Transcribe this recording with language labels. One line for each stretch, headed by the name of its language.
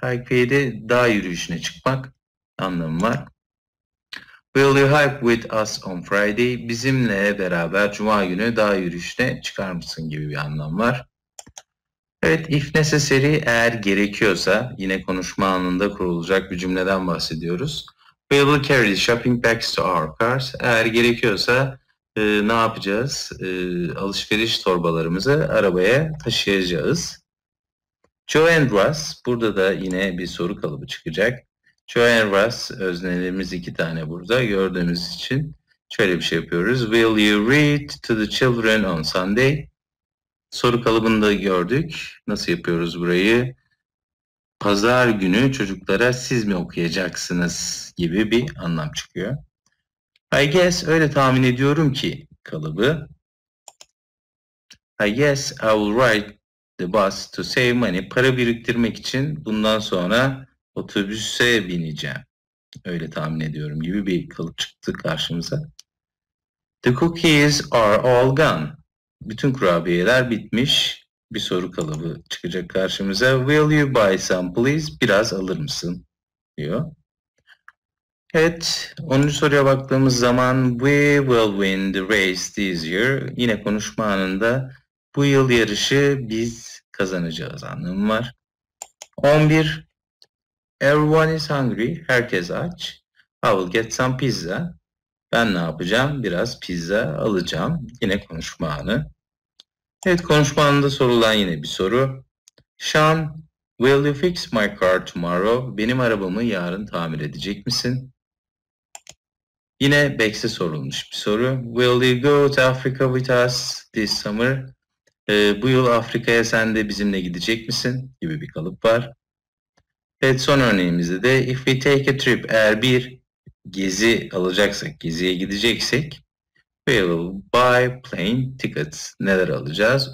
Ukrainian: Hike fiili dağ yürüyüşüne çıkmak anlamı var.
English: Will you hike with us on Friday?
Turkish: Bizimle beraber cuma günü dağ yürüyüşüne çıkar mısın gibi bir anlam var. Evet,
English: if necessary,
Turkish: eğer gerekiyorsa, yine konuşma anında kurulacak bir cümleden bahsediyoruz.
English: Will you carry the shopping bags to our cars?
Turkish: Eğer gerekiyorsa ne yapacağız? Alışveriş torbalarımızı arabaya taşıyacağız. Joe and Russ, burada da yine bir soru kalıbı çıkacak. Joe and Russ, öznelerimiz iki tane burada gördüğümüz için şöyle bir şey yapıyoruz.
English: Will you read to the children on Sunday?
Turkish: Soru kalıbını da gördük. Nasıl yapıyoruz burayı? Pazar günü çocuklara siz mi okuyacaksınız gibi bir anlam çıkıyor.
English: I guess,
Turkish: öyle tahmin ediyorum ki kalıbı.
English: I guess I will ride the bus to save money.
Turkish: Para biriktirmek için bundan sonra otobüse bineceğim. Öyle tahmin ediyorum gibi bir kalıp çıktı karşımıza.
English: The cookies are all gone.
Turkish: Bütün kurabiyeler bitmiş. Bir soru kalıbı çıkacak karşımıza.
English: Will you buy some please?
Turkish: Biraz alır mısın? Diyor. Evet, 10. soruya baktığımız zaman
English: we will win the race this year.
Turkish: Yine konuşma anında bu yıl yarışı biz kazanacağız anlamı var.
English: 11. Everyone is hungry.
Turkish: Herkes aç.
English: I will get some pizza.
Turkish: Ben ne yapacağım? Biraz pizza alacağım. Yine konuşma anı. Evet, konuşma anında sorulan yine bir soru.
English: Sean, will you fix my car tomorrow?
Turkish: Benim arabamı yarın tamir edecek misin? Yine Bex'e sorulmuş bir soru.
English: Will you go to Africa with us this summer?
Turkish: Bu yıl Afrika'ya sen de bizimle gidecek misin? Gibi bir kalıp var. Evet, son örneğimizde de
English: if we take a trip,
Turkish: eğer bir gezi alacaksak, geziye gideceksek,
English: we will buy plane tickets.
Turkish: Neler alacağız?